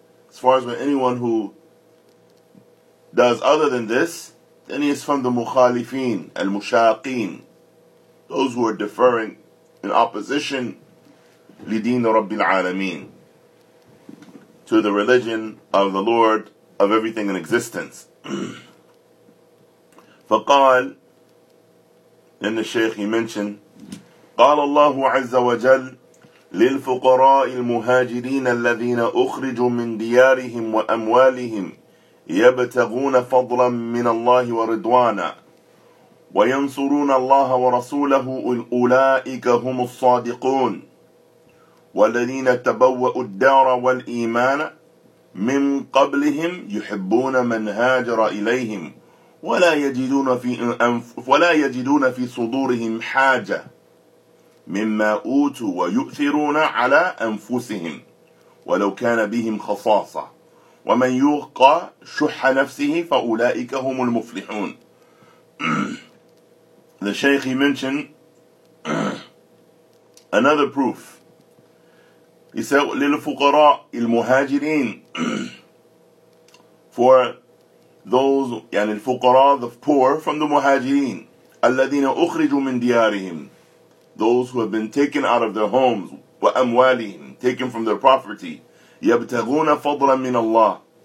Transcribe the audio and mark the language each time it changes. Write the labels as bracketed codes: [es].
[en] As far as with anyone who does other than this, then he is from the Mukhalifin, Al-Mushaqeen, those who are deferring in opposition, [ar] لِدِينَ رَبِّ الْعَالَمِينَ, [en] to the religion of the Lord of everything in existence. [ar] فقال, [en] then the Shaykh, he mentioned, [ar] قال الله عز وجل للفقراء المهاجرين الذين أخرجوا من ديارهم وأموالهم يبتغون فضلا من الله ورضوانا وينصرون الله ورسوله أولئك هم الصادقون والذين تبوأوا الدار والإيمان من قبلهم يحبون من هاجر إليهم ولا يجدون في صدورهم حاجة مما أوتوا ويؤثرون على أنفسهم ولو كان بهم خصاصة ومن يوق شح نفسه فأولئك هم المفلحون. [en] The Shaykh, he mentioned another proof. He said, [ar] للفقراء المهاجرين, [en] for those, [ar] يعني الفقراء, [en] the poor, from the مهاجرين, [ar] الذين أخرجوا من ديارهم, [en] those who have been taken out of their homes, [ar] وأموالهم, [en] taken from their property, [ar] يبتغون فضلا من الله.